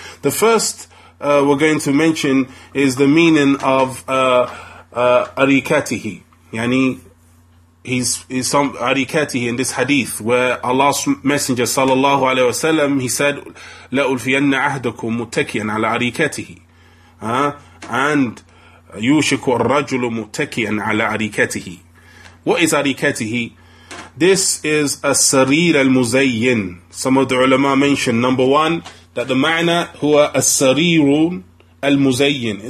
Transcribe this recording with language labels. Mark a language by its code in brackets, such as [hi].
[en] The first we're going to mention is the meaning of arikatihi, yani, arikatihi in this hadith, where Allah's Messenger, sallallahu alayhi wasallam, he said, [ar] لَأُلْفِيَنَّ عَهْدَكُمْ مُتَكِيًا عَلَى [en] arikatihi. [ar] And يُوشِكُ الرَّجُلُ مُتَكِيًا عَلَى عَرِيكَتِهِ. [en] What is عَرِيكَتِهِ? This is a [ar] سرير المزين. [en] Some of the ulama mentioned, number one, that the [ar] معنى هو السرير المزين.